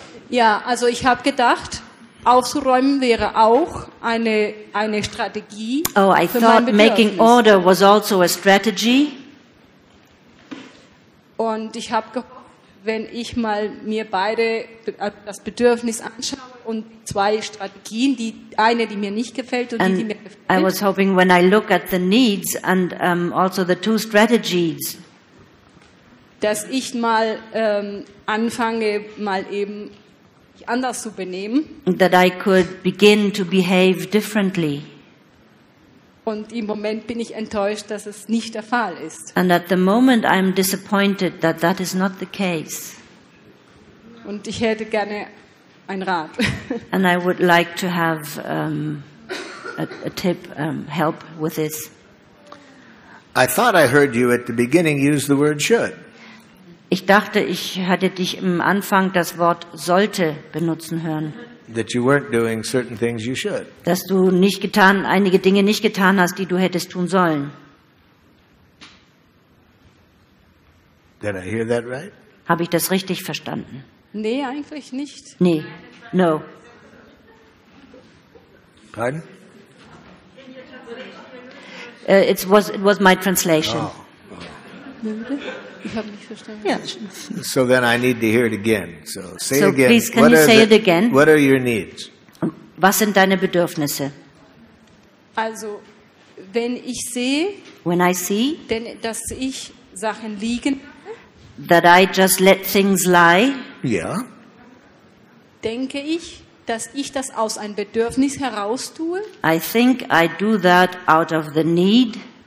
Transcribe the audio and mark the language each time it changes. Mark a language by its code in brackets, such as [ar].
[de] Ja, also ich habe gedacht, aufzuräumen wäre auch eine Strategie. [en] Oh, I thought making order was also a strategy. [de] Und ich habe gehofft, wenn ich mal mir beide das Bedürfnis anschaue. Und zwei Strategien, die eine, die mir nicht gefällt, und die mir gefällt. [en] I was hoping when I look at the needs and also the two strategies, [de] dass ich mal anfange, mal eben anders zu benehmen. [en] That I could begin to behave differently. [de] Und im Moment bin ich enttäuscht, dass es nicht der Fall ist. [en] And at the moment I'm disappointed that that is not the case. [de] Und ich hätte gerne ein Rat. [en] And I would like to have a tip, help with this. I thought I heard you at the beginning use the word should. [de] Ich dachte, ich hatte dich im Anfang das Wort sollte benutzen hören. [en] That you weren't doing certain things you should. [de] Dass du nicht getan, einige Dinge nicht getan hast, die du hättest tun sollen. [en] Did I hear that right? [de] Habe ich das richtig verstanden? Nee, eigentlich nicht. Nee, no. [en] Pardon? It was my translation. Oh. Yeah. So then I need to hear it again. So say so it again. Please, can you say it again? What are your needs? Was sind deine Bedürfnisse? [de] Also, wenn ich sehe, [en] when I see, [de] denn, dass ich Sachen liegen, [en] that I just let things lie, [de] ja. Denke ich, dass ich das aus einem Bedürfnis heraus tue? [en] I think I do that out of the need.